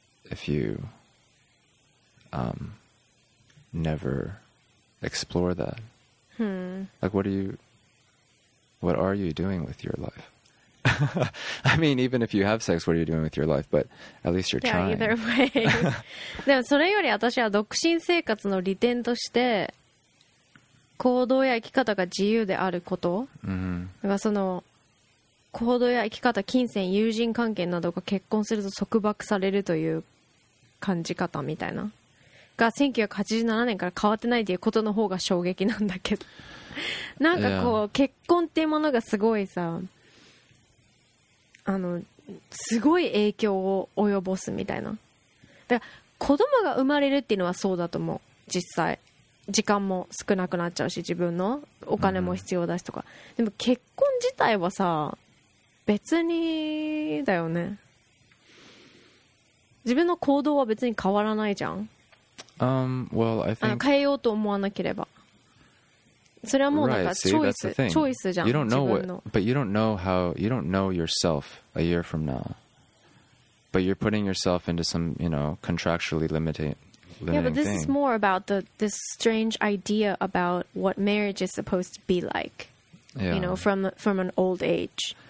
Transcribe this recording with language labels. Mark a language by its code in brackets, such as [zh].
[en] If you never explore that, like, what are you doing with your life? I mean, even if you have sex, what are you doing with your life? But at least you're trying. Yeah, either way. [ja] でもそれより私は独身生活の利点として行動や生き方が自由であること。だからその行動や生き方、金銭、友人関係などが結婚すると束縛されるという。感じ方みたいなが1987年から変わってないっていうことの方が衝撃なんだけど、なんかこう、結婚っていうものがすごいさ、あのすごい影響を及ぼすみたいな。だから子供が生まれるっていうのはそうだと思う、実際。時間も少なくなっちゃうし自分のお金も必要だしとか、mm-hmm. でも結婚自体はさ別にだよね自分の行動は別に変わらないじゃん、 [en] well, I think... [ja] 変えようと思わなければそれはもうなんかチョイス、 [en] right. See, [ja] チョイスじゃん [en] you don't know [ja] 自分の [en] what, but you don't know how you don't know yourself a year from nowBut you're putting yourself into some, you know, contractually limiting Yeah, but this thing. Is more about this strange idea about what marriage is supposed to be like, yeah. you know, from an old age,